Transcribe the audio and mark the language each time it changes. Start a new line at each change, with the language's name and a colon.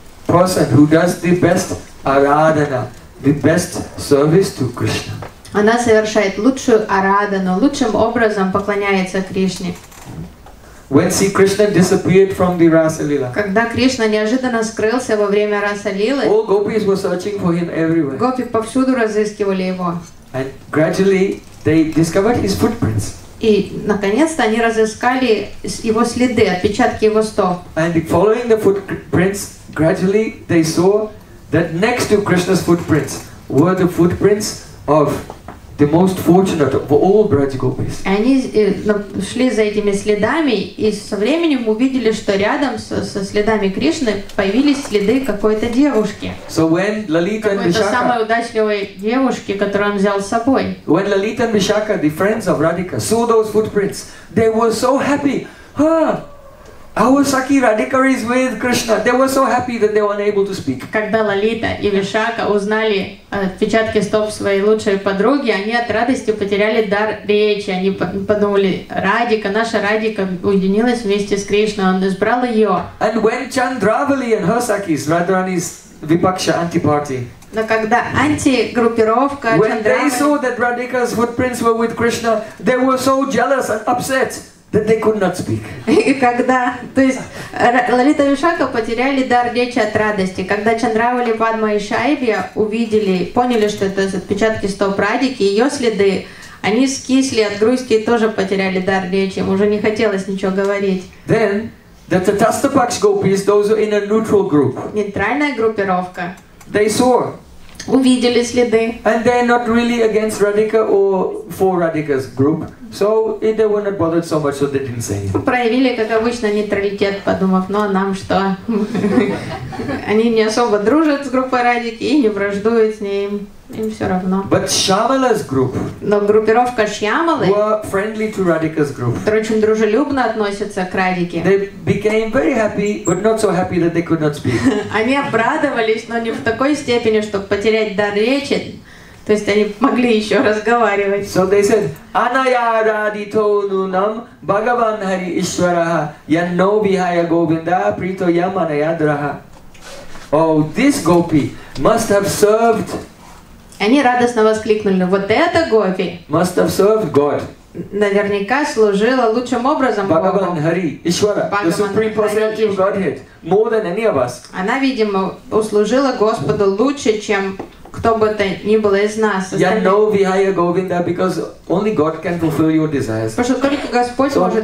English: person who does the best aradhana, the best service to Krishna.
Russian: Она совершает лучшую арадану, лучшим образом поклоняется Кришне.
English: When see Krishna disappeared from the Rasa Lila.
Russian: Когда Кришна неожиданно скрылся во время Раса Лилы.
English: All gopis were searching for him everywhere.
Russian: Гопи повсюду разыскивали его.
English: And gradually they discovered his footprints.
Russian: И наконец-то они разыскали его следы, отпечатки его стоп.
English: And following the footprints, gradually they saw that next to Krishna's footprints were the footprints of the most fortunate of all Braj gopis.
Russian: Они шли за этими следами и со временем увидели, что рядом со следами Кришны появились следы какой-то девушки.
English: So when Lalita and Vishakha,
Russian: какой-то самой удачливой девушки, которую он взял с собой.
English: When Lalita and Vishakha, the friends of Radhika, saw those footprints, they were so happy. Our Sakhi Radhika is with Krishna. They were so happy that they were unable to speak.
Russian: Когда Лалита и Вишака узнали отпечатки стоп своей лучшей подруги, они от радости потеряли дар речи. Они подумали: Радика, наша Радика уединилась вместе с Кришной, он избрал ее.
English: And when Chandravali and her Sakhis, Radharani's Vipaksha anti-party.
Russian: Но когда антигруппировка
English: Chandravali. When they saw that Radhika's footprints were with Krishna, they were so jealous and upset. That they could not speak.
Russian: И когда, то есть, Лалита и Вишака потеряли дар речи от радости, когда Чандравали, Падма и Шайбья увидели, поняли, что это отпечатки стоп Радики, ее следы, они скисли от грусти и тоже потеряли дар речи, им уже не хотелось ничего говорить.
English: Then the Tathastapaksh gopis, those in a neutral group.
Russian: Нейтральная группировка.
English: They saw.
Russian: Увидели следы.
English: And they're not really against Radhika or for Radhika's group. So they were not bothered so much, so they didn't say anything.
Russian: Проявили, как обычно, нейтралитет, подумав, ну а нам что? Они не особо дружат с группой Радики и не враждуют с ней. Им все равно.
English: But Shyamala's group.
Russian: Но группировка Шьямалы
English: were friendly to Radhika's group.
Russian: Впрочем, дружелюбно относятся к Радике.
English: They became very happy, but not so happy that they could not speak.
Russian: Они обрадовались, но не в такой степени, чтобы потерять дар речи. То есть они могли еще разговаривать.
English: So they said,
Sanskrit: Anaya radito nunam Bhagavan Hari Ishwaraha Yanno Vihaya Govinda Prito Yam Anaya Draha.
English: Oh, this gopi must have served.
Russian: Они радостно воскликнули, вот это гопи.
English: Must have served God.
Russian: Наверняка служила лучшим образом Богу.
English: Bhagavan Hari Ishwara, the Supreme Personality of Godhead, more than any of us.
Russian: Она, видимо, услужила Господу лучше, чем кто бы то ни было из нас.
English: Я know Vihaya Govinda, because only God can fulfill your desires.
Russian: Потому что только Господь может.